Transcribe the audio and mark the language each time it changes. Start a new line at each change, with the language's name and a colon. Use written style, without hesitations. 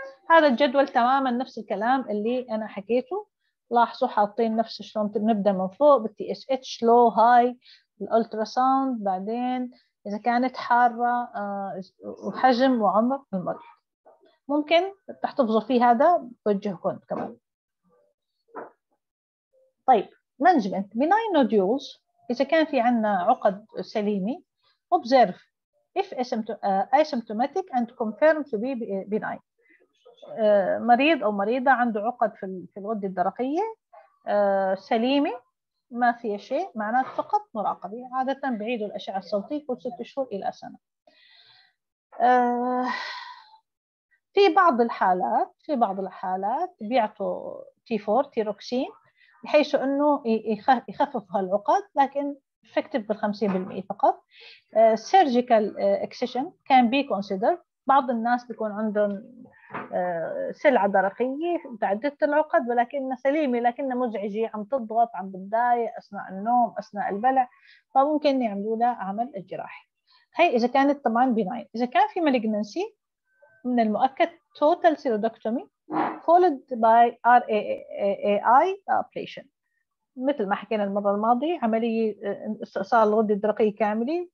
Arabic: هذا الجدول تماما نفس الكلام اللي أنا حكيته، لاحظوا حاطين نفس شلون نبدأ من فوق بالـ TSH low high الألترا ساوند، بعدين إذا كانت حارة وحجم وعمر المريض. ممكن تحتفظوا في هذا بوجهكم كمان. طيب
English: management benign nodules
Arabic: إذا كان في عنا عقد سليمي
English: observe if asymptomatic and confirmed to be benign.
Arabic: مريض أو مريضة عنده عقد في الغدة الدرقية سليمة ما فيها شيء، معناته فقط مراقبة. عادة بعيدوا الأشعة الصوتية كل 6 شهور إلى سنة. في بعض الحالات، في بعض الحالات بيعطوا T4 تيروكسين بحيث أنه يخفف هالعقد، لكن
English: effective
Arabic: بال50% فقط.
English: Surgical excision can be considered.
Arabic: بعض الناس بيكون عندهم سلعة درقية تعددت العقد ولكنها سليمة لكنها مزعجة، عم تضغط، عم بتضايق أثناء النوم أثناء البلع، فممكن يعملوا لها عمل جراحي. هي إذا كانت طبعا بناين. إذا كان في malignancy من المؤكد
English: total serodectomy followed by RAAI operation،
Arabic: مثل ما حكينا المرة الماضية عملية استئصال الغدة الدرقية كاملة.